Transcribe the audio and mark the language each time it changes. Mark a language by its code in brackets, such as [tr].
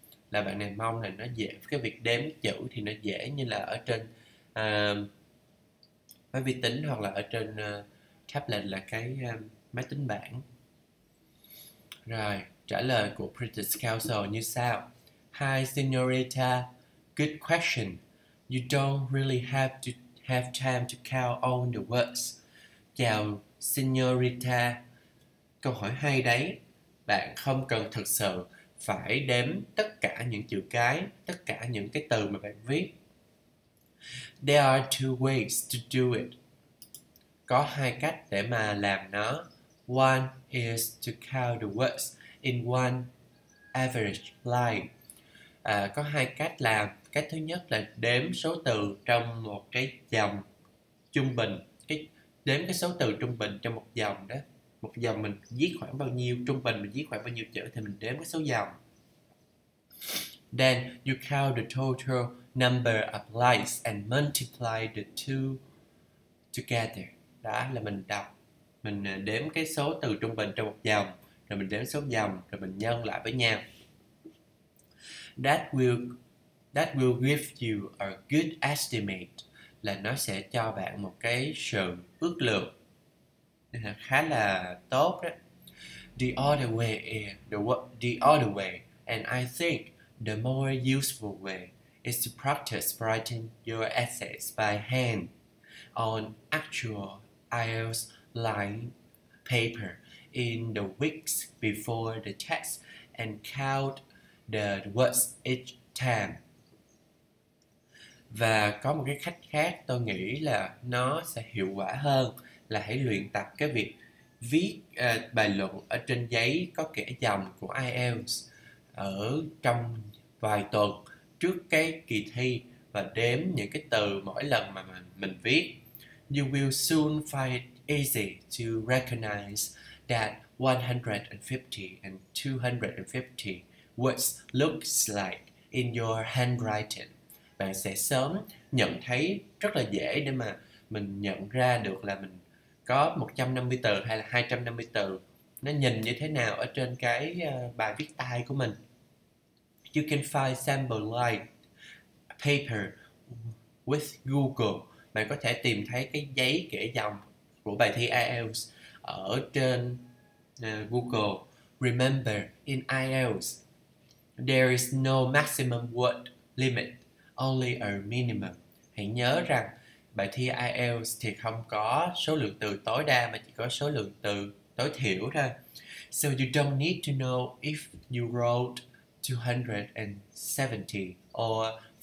[vi] Là bạn này mong là nó dễ, cái việc đếm chữ thì nó dễ như là ở trên máy vi tính hoặc là ở trên tablet, là cái máy tính bảng. Rồi, trả lời của British Council như sau. [en] Hi, Senorita. Good question. You don't really have time to count all the words. [vi] Chào, Senorita. Câu hỏi hay đấy. Bạn không cần thực sự phải đếm tất cả những chữ cái, tất cả những cái từ mà bạn viết. [en] There are two ways to do it. [vi] Có hai cách để mà làm nó. [en] One is to count the words in one average line. [vi] À, có hai cách làm. Cách thứ nhất là đếm số từ trong một cái dòng trung bình, cái đếm cái số từ trung bình trong một dòng đó. Một dòng mình viết khoảng bao nhiêu, trung bình mình viết khoảng bao nhiêu chữ thì mình đếm cái số dòng. [en] Then you count the total number of lines and multiply the two together. [vi] Đó là mình đọc, mình đếm cái số từ trung bình trong một dòng, rồi mình đếm số dòng, rồi mình nhân lại với nhau. [en] That will give you a good estimate. [vi] Là nó sẽ cho bạn một cái sự ước lượng khá là tốt đó. [en] The other way, and I think the more useful way is to practice writing your essays by hand on actual IELTS line paper in the weeks before the test and count the words each time. [vi] Và có một cái cách khác tôi nghĩ là nó sẽ hiệu quả hơn, là hãy luyện tập cái việc viết bài luận ở trên giấy có kẻ dòng của IELTS ở trong vài tuần trước cái kỳ thi và đếm những cái từ mỗi lần mà mình viết. [en] You will soon find easy to recognize that 150 and 250 words looks like in your handwriting. [vi] Bạn sẽ sớm nhận thấy rất là dễ để mà mình nhận ra được là mình có 150 từ hay là 250 từ, nó nhìn như thế nào ở trên cái bài viết tay của mình. [en] You can find sample line paper with Google. [vi] Bạn có thể tìm thấy cái giấy kẻ dòng của bài thi IELTS ở trên Google. [en] Remember, in IELTS, there is no maximum word limit, only a minimum. [vi] Hãy nhớ rằng bài thi IELTS thì không có số lượng từ tối đa mà chỉ có số lượng từ tối thiểu thôi. [en] So you don't need to know if you wrote 270 or